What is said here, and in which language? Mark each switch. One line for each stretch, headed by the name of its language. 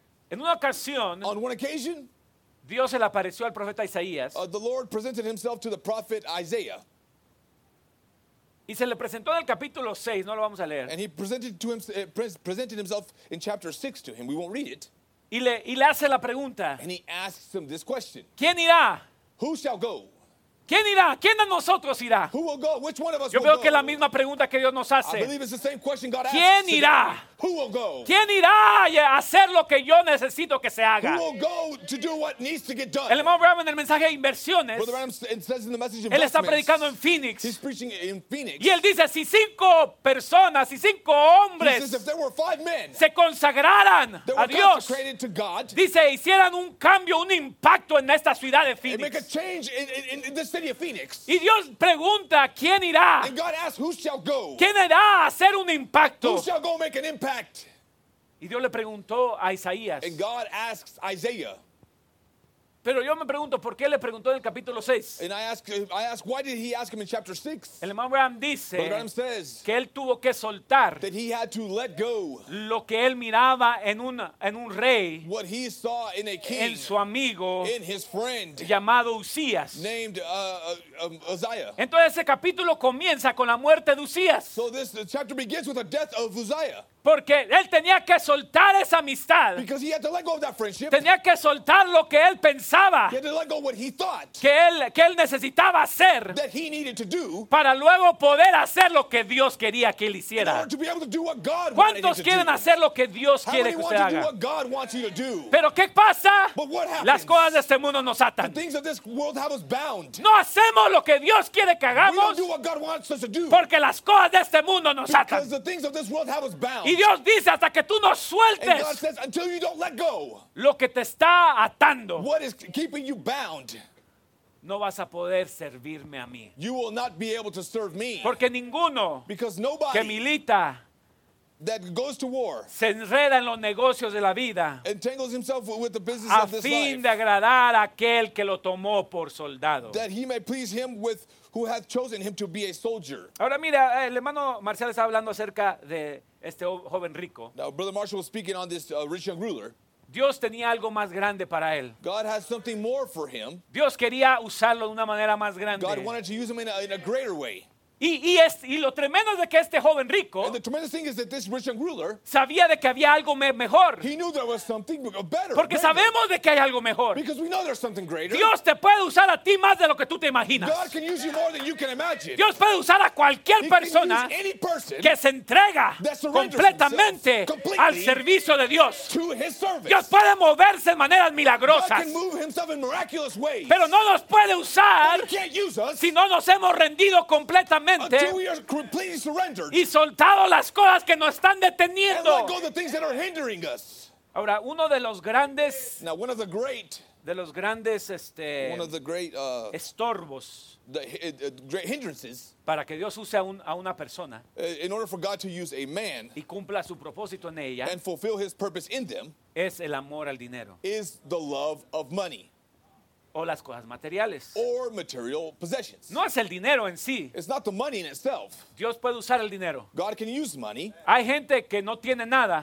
Spanish: En una ocasión Dios se le apareció al profeta Isaías y se le presentó en el capítulo 6, no lo vamos a leer,
English: and he presented to him presented himself in chapter 6 to him, we won't read it.
Spanish: Y le hace la pregunta.
English: And he asks him this question.
Spanish: ¿Quién irá?
English: Who shall go?
Spanish: ¿Quién irá? ¿Quién de nosotros irá?
English: Who will go? Which one of us
Spanish: yo veo
English: will
Spanish: que
English: go?
Spanish: La misma pregunta que Dios nos hace.
English: I believe it's the same question God
Spanish: ¿quién
English: asks
Spanish: irá?
English: Today. Who will go?
Spanish: ¿Quién irá a hacer lo que yo necesito que se haga?
English: Who will go to do what needs to get done?
Spanish: El hermano Brown en el mensaje de inversiones.
English: Brother Brown says in the message,
Spanish: él está predicando en Phoenix.
English: He's preaching in Phoenix.
Spanish: Y él dice, si cinco personas, si cinco hombres
English: says, if there were five men,
Spanish: se consagraran
English: that were
Spanish: a Dios,
English: consecrated to God,
Spanish: dice, hicieran un cambio, un impacto en esta ciudad de Phoenix.
English: Make a change in this city of Phoenix.
Spanish: Y Dios pregunta, ¿quién irá?
English: And God asks, who shall go?
Spanish: ¿Quién irá a hacer un impacto?
English: Who shall go make an impact?
Spanish: Y Dios le preguntó a Isaías.
English: And God asks Isaiah.
Spanish: Pero yo me pregunto, ¿por qué le preguntó en el capítulo 6?
English: And I ask, why did he ask him in chapter 6?
Spanish: El hermano Abraham dice
English: Abraham says
Spanish: que él tuvo que soltar
English: that he had to let go
Spanish: lo que él miraba en un rey,
English: what he saw in a king,
Spanish: en su amigo,
English: in his friend,
Spanish: llamado Usías.
English: Named Uzziah.
Spanish: Entonces ese capítulo comienza con la muerte de Usías.
English: So this chapter begins with the death of Uzziah.
Spanish: Porque él tenía que soltar esa amistad.
English: Because he had to let go of that friendship.
Spanish: Tenía que soltar lo que él pensaba.
English: He had to let go of what he thought.
Spanish: Que él necesitaba hacer.
English: That he needed to do.
Spanish: Para luego poder hacer lo que Dios quería que él hiciera.
English: In order to be able to do what God
Spanish: ¿cuántos quieren
English: to
Spanish: hacer
English: do?
Spanish: Lo que Dios how quiere que usted haga?
English: How many want to do what God wants you to do?
Spanish: Pero ¿qué pasa?
English: But what happens?
Spanish: Las cosas de este mundo nos atan.
English: The things of this world have us bound.
Spanish: No hacemos lo que Dios quiere que hagamos.
English: We don't do what God wants us to do.
Spanish: Porque las cosas de este mundo nos atan.
English: Because the things of this world have us bound.
Spanish: Dios dice hasta que tú no sueltes
English: says, until you don't let go,
Spanish: lo que te está atando,
English: what is keeping you bound,
Spanish: no vas a poder servirme a mí.
English: You will not be able to serve me,
Spanish: porque ninguno
English: because nobody
Spanish: que milita
English: that goes to war.
Spanish: Se enreda en los negocios de la vida.
English: Entangles himself with the business of this life.
Spanish: A fin de agradar a aquel que lo tomó por soldado.
English: That he may please him with who hath chosen him to be a soldier.
Spanish: Ahora mira, el hermano Marcial está hablando acerca de este joven rico.
English: Now, Brother Marshall was speaking on this rich young ruler.
Spanish: Dios tenía algo más grande para él.
English: God has something more for him.
Spanish: Dios quería usarlo de una manera más grande.
English: God wanted to use him in a greater way.
Spanish: Y lo tremendo es de que este joven rico sabía de que había algo mejor.
English: He knew there was something better,
Spanish: porque
English: better.
Spanish: Sabemos de que hay algo mejor.
English: Because we know there's something greater.
Spanish: Dios te puede usar a ti más de lo que tú te imaginas.
English: God can use you more than you can imagine.
Spanish: Dios puede usar a cualquier
English: He
Spanish: persona
English: can use any person
Spanish: que se entrega completamente al servicio de Dios.
English: To his service.
Spanish: Dios puede moverse de maneras milagrosas.
English: God can move himself in miraculous ways.
Spanish: Pero no nos puede usar
English: can't use us
Spanish: si no nos hemos rendido completamente.
English: Until we are completely surrendered.
Spanish: Y soltado las cosas que nos están deteniendo.
English: And let go of the things that are hindering us.
Spanish: Ahora, uno de los grandes,
English: now, one of the great,
Spanish: de los grandes,
English: one of the great
Spanish: estorbos,
English: great hindrances,
Spanish: para que Dios use a una persona,
English: in order for God to use a man,
Spanish: y cumpla su propósito en ella,
English: and fulfill his purpose in them,
Spanish: es el amor al dinero.
English: Is the love of money.
Spanish: O las cosas materiales.
English: Or material possessions.
Spanish: No es el dinero en sí.
English: It's not the money in itself.
Spanish: Dios puede usar el dinero.
English: God can use money.
Spanish: Hay gente que no tiene nada.